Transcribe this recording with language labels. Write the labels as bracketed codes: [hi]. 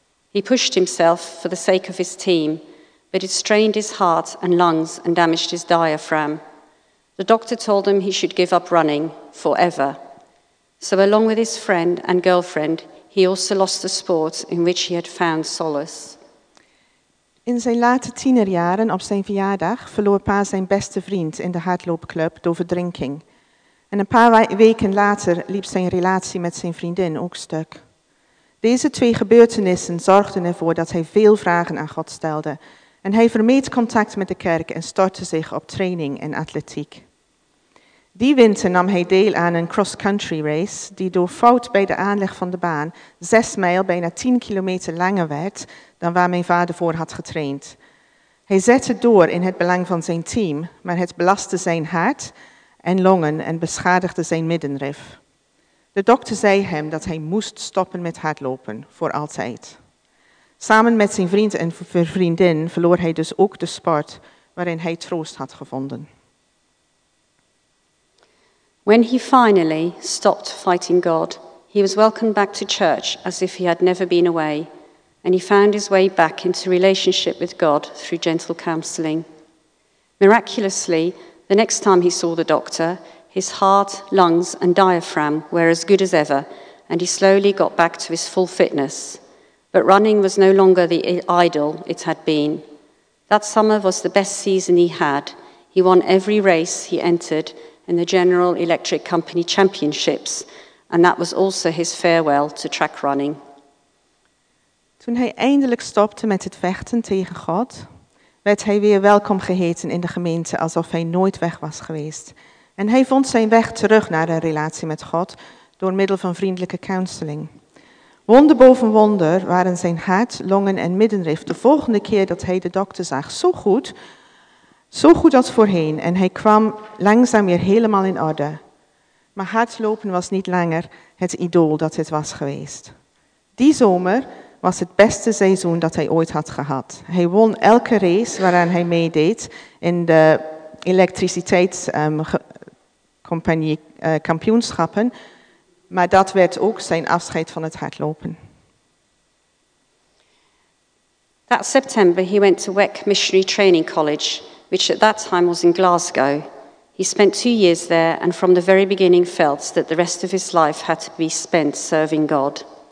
[en] He pushed himself for the sake of his team, but it strained his heart and lungs and damaged his diaphragm. The doctor told him he should give up running forever. So along with his friend and girlfriend, he also lost the sport in which he had found solace. [nl] In zijn late tienerjaren, op zijn verjaardag, verloor pa zijn beste vriend in de hardloopclub door verdrinking. En een paar weken later liep zijn relatie met zijn vriendin ook stuk. Deze twee gebeurtenissen zorgden ervoor dat hij veel vragen aan God stelde. En hij vermeed contact met de kerk en stortte zich op training en atletiek. Die winter nam hij deel aan een cross-country race die door fout bij de aanleg van de baan 6 mijl bijna 10 kilometer langer werd dan waar mijn vader voor had getraind. Hij zette door in het belang van zijn team, maar het belastte zijn hart en longen en beschadigde zijn middenrif. De dokter zei hem dat hij moest stoppen met hardlopen, voor altijd. Samen met zijn vriend en vriendin verloor hij dus ook de sport waarin hij troost had gevonden. [en] When he finally stopped fighting God, he was welcomed back to church as if he had never been away. A and he found his way back into relationship with God through gentle counseling. Miraculously, the next time he saw the doctor, his heart, lungs, and diaphragm were as good as ever, and he slowly got back to his full fitness. But running was no longer the idol it had been. That summer was the best season he had. He won every race he entered in the General Electric Company Championships, and that was also his farewell to track running. [nl] Toen hij eindelijk stopte met het vechten tegen God, werd hij weer welkom geheten in de gemeente alsof hij nooit weg was geweest. En hij vond zijn weg terug naar een relatie met God door middel van vriendelijke counseling. Wonder boven wonder waren zijn hart, longen en middenrif de volgende keer dat hij de dokter zag zo goed als voorheen en hij kwam langzaam weer helemaal in orde. Maar hardlopen was niet langer het idool dat het was geweest. Die zomer was het beste seizoen dat hij ooit had gehad. Hij won elke race waaraan hij meedeed in de elektriciteitscompagnie-kampioenschappen. Maar dat werd ook zijn afscheid van het hardlopen. [en] That September he went to WEC Missionary Training College, which at that time was in Glasgow. He spent 2 years there and from the very beginning felt that the rest of his life had to be spent serving God.